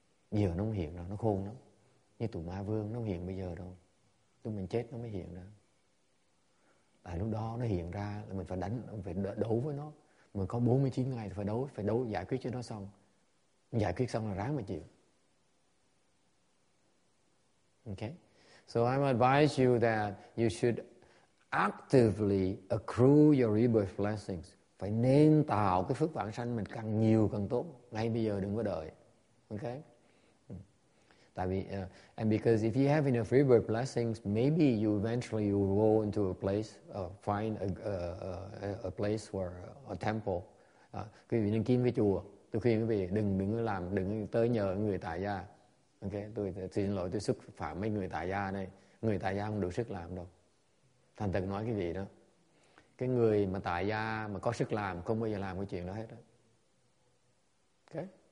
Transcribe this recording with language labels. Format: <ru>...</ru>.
<vi>Giờ nó không hiện đâu, nó khôn lắm. Như tụi Ma Vương nó không hiện bây giờ đâu. Tụi mình chết nó mới hiện ra. Tại lúc đó nó hiện ra là mình phải đánh, phải đấu với nó. Mình có 49 ngày thì phải đấu giải quyết cho nó xong. Giải quyết xong là ráng mà chịu. Okay?</vi> <en>So I advise you that you should actively accrue your rebirth blessings.</en> <vi>Phải nên tạo cái phước vãng sanh mình càng nhiều càng tốt. Ngay bây giờ đừng có đợi. Okay? Tại vì,</vi> <en>and because if you have enough rebirth blessings, maybe you eventually you will go into a place, find a place where a temple.</en> <vi>Quý vị nên kiếm cái chùa. Tôi khuyên quý vị đừng tới nhờ người tại gia. Ok, tôi xin lỗi, tôi xúc phạm mấy người tại gia đây. Người tại gia không đủ sức làm đâu. Thành thật nói cái gì đó. Cái người mà tại gia mà có sức làm không bao giờ làm cái chuyện đó hết đó. Ok.</vi>